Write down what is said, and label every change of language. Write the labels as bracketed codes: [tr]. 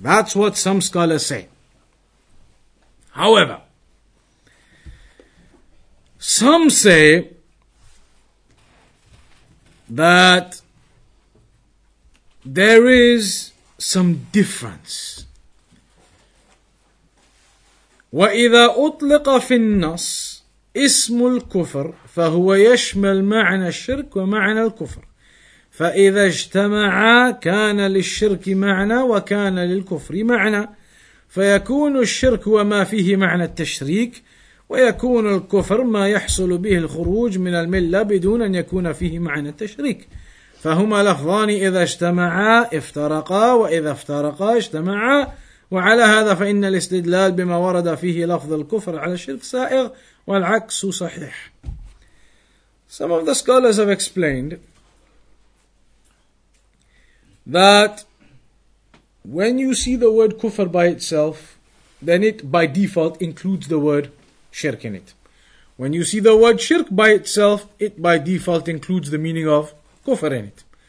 [en] That's what some scholars say. However, some say that there is some difference. [ar] وَإِذَا أُطْلِقَ فِي النَّصِ إِسْمُ الْكُفْرِ فَهُوَ يَشْمَلْ مَعْنَى الشِّرْكِ وَمَعْنَى الْكُفْرِ فَإِذَا اجْتَمَعَا كَانَ لِلشِّرْكِ مَعْنَى وَكَانَ لِلْكُفْرِ مَعْنَى فَيَكُونُ الشِّرْكُ وَمَا فِيهِ مَعْنَى التَّشْرِيكِ وَيَكُونُ الْكُفْرُ مَا يَحْصُلُ بِهِ الْخُرُوجُ مِنَ الْمِلَّةِ بِدُونَ أَنْ يَكُونَ فِيهِ مَعْنَى التَّشْرِيكِ فهما لفظان إذا اجتمعا افترقا وإذا افترقا اجتمعا وعلى هذا فإن الاستدلال بما ورد فيه لفظ الكفر على الشرك سائغ والعكس صحيح. [en] Some of the scholars have explained that when you see the word kufr by itself, then it by default includes the word shirk in it. When you see the word shirk by itself, it by default includes the meaning of kufr in it.